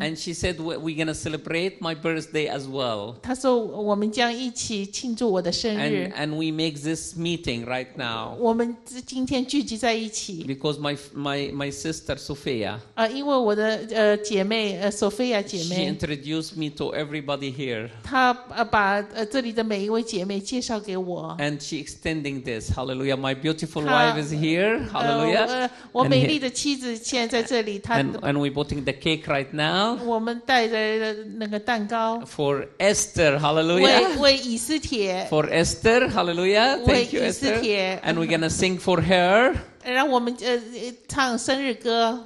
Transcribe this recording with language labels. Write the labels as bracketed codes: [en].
[en] And she said, we're going to celebrate my birthday as well. [zh] 她说我们将一起庆祝我的生日。 [en] And we make this meeting right now. [zh] 我们今天聚集在一起。 [en] Because my sister, Sophia. [zh] 因为我的姐妹Sophia姐妹。 [en] She introduced me to everybody here. [zh] 她把这里的每一位姐妹介绍给我。 [en] And she extending this, hallelujah, my beautiful wife. My wife is here, hallelujah. [zh] 我美丽的妻子现在在这里。 [en] And we're putting the cake right now. [zh] 我们带着那个蛋糕。 [en] For Esther, hallelujah. [zh] 为以斯帖。 [en] For Esther, hallelujah. Thank you, Esther. And we're gonna sing for her. [zh] 让我们唱生日歌。